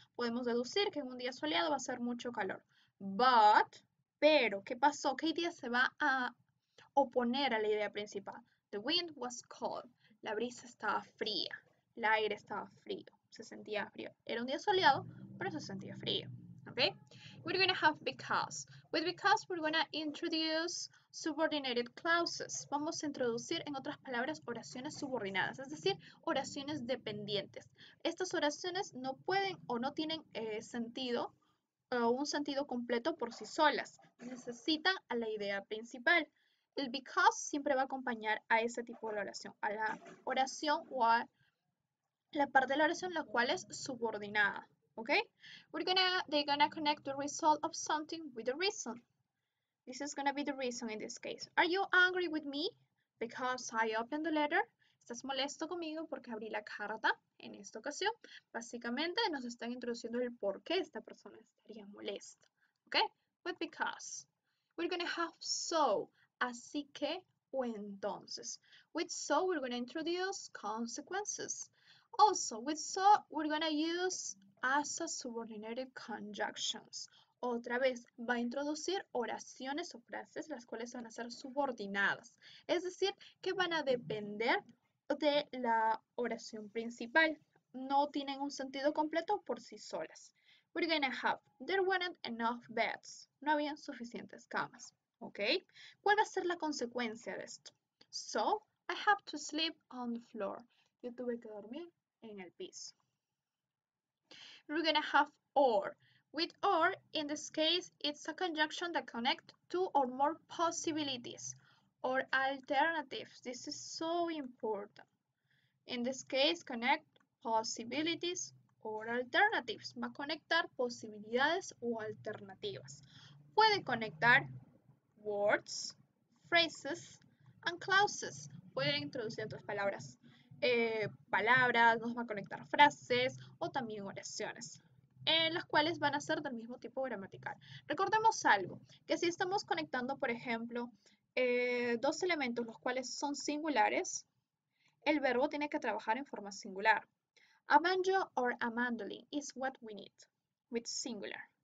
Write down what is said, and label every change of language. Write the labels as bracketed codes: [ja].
[es] Podemos deducir que en un día soleado va a hacer mucho calor. But, pero, ¿qué pasó? ¿Qué idea se va a oponer a la idea principal? [en] The wind was cold. [es] La brisa estaba fría. El aire estaba frío. Se sentía frío. Era un día soleado, pero se sentía frío. [en] Okay? We're going to have because. With because, we're going to introduce subordinated clauses. [es] Vamos a introducir, en otras palabras, oraciones subordinadas, es decir, oraciones dependientes. Estas oraciones no pueden o no tienen sentido o un sentido completo por sí solas. Necesitan a la idea principal. El because siempre va a acompañar a ese tipo de oración, a la oración o a la parte de la oración la cual es subordinada. [en] Okay, they're gonna connect the result of something with the reason. This is gonna be the reason in this case. Are you angry with me because I opened the letter? [es] ¿Estás molesto conmigo porque abrí la carta en esta ocasión? Básicamente nos están introduciendo el por qué esta persona estaría molesta. [en] Okay, with because. We're gonna have so, [es] así que o entonces. [en] With so, we're gonna introduce consequences. Also, with so, we're gonna use as a subordinated conjunctions. [es] Otra vez, va a introducir oraciones o frases las cuales van a ser subordinadas. Es decir, que van a depender de la oración principal. No tienen un sentido completo por sí solas. [en] We're gonna have, there weren't enough beds. [es] No habían suficientes camas. [en] Okay? [es] ¿Cuál va a ser la consecuencia de esto? [en] So, I have to sleep on the floor. [es] Yo tuve que dormir en el piso. [en] We're going to have or. With or, in this case, it's a conjunction that connects two or more possibilities or alternatives. This is so important. In this case, connect possibilities or alternatives. [es] Va a conectar posibilidades o alternativas. Puede conectar [en] words, phrases, and clauses. [es] Puede introducir otras palabras. Palabras, nos va a conectar frases o también oraciones, las cuales van a ser del mismo tipo gramatical. Recordemos algo, que si estamos conectando, por ejemplo, dos elementos los cuales son singulares, el verbo tiene que trabajar en forma singular. [en] A banjo or a mandolin is what we need with singular.